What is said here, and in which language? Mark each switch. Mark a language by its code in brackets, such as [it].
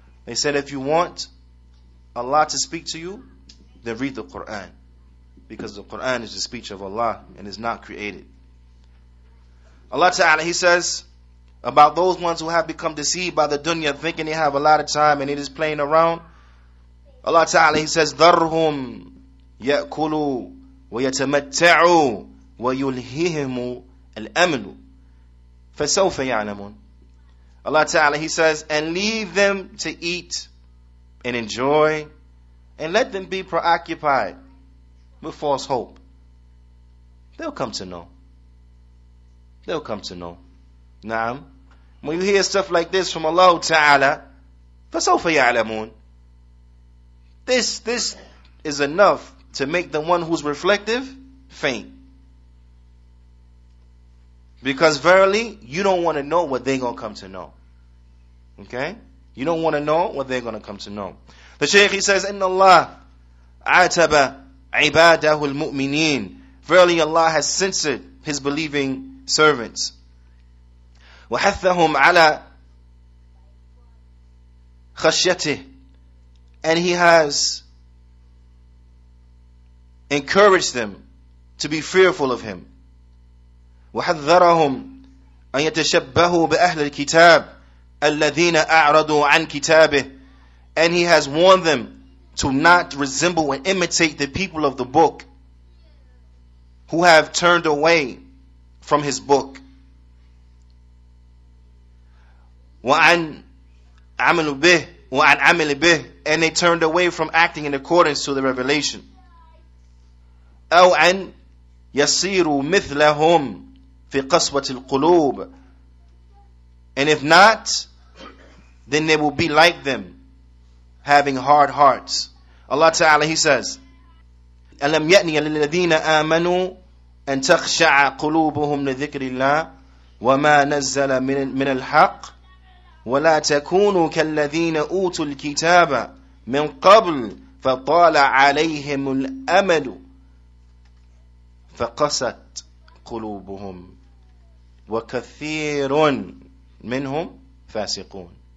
[en] They said, if you want Allah to speak to you, then read the Quran. Because the Quran is the speech of Allah and is not created. Allah Ta'ala, he says, about those ones who have become deceived by the dunya, thinking they have a lot of time and it is playing around. Allah Ta'ala, he says, [ar] ذَرْهُمْ يَأْكُلُوا وَيَتَمَتَّعُوا وَيُلْهِهِمُ الْأَمْلُ فَسَوْفَ يَعْلَمُونَ. [en] Allah Ta'ala, he says, and leave them to eat and enjoy, and let them be preoccupied with false hope. They'll come to know. They'll come to know. Naam. When you hear stuff like this from Allah Ta'ala, [ar] فَسَوْفَ يَعْلَمُونَ. [en] This is enough to make the one who's reflective faint. Because verily, you don't want to know what they're going to come to know. Okay? You don't want to know what they're going to come to know. The Shaykh, he says, [ar] إِنَّ اللَّهَ عَتَبَ عِبَادَهُ الْمُؤْمِنِينَ. [en] Verily, Allah has censored His believing servants. [ar] وَحَثَّهُمْ عَلَى خَشْيَتِهِ. [en] And He has encouraged them to be fearful of Him. [ar] وَحَذَّرَهُمْ أَن يَتَشَبَّهُوا بِأَهْلِ الْكِتَابِ الَّذِينَ أَعْرَضُوا عَن كِتَابِهِ. [en] And He has warned them to not resemble and imitate the people of the book who have turned away from His book. [ar] وَعَن عَمِلُوا بِهِ. [en] And they turned away from acting in accordance to the revelation. [ar] أو أن يصيروا مثلهم في قسوة القلوب. [en] And if not, then they will be like them, having hard hearts. Allah Ta'ala, He says, [ar] أَلَمْ يَأْنِيَ لِلَّذِينَ آمَنُوا أَن تَخْشَعَ قُلُوبُهُمْ لِذِكْرِ اللَّهِ وَمَا نَزَّلَ مِنَ الْحَقِّ وَلَا تَكُونُوا كَالَّذِينَ أُوتُوا الْكِتَابَ مِنْ قَبْلِ فَطَالَ عَلَيْهِمُ الْأَمَلُ فَقَسَتْ قُلُوبُهُمْ وَكَثِيرٌ مِنْهُمْ فَاسِقُونَ.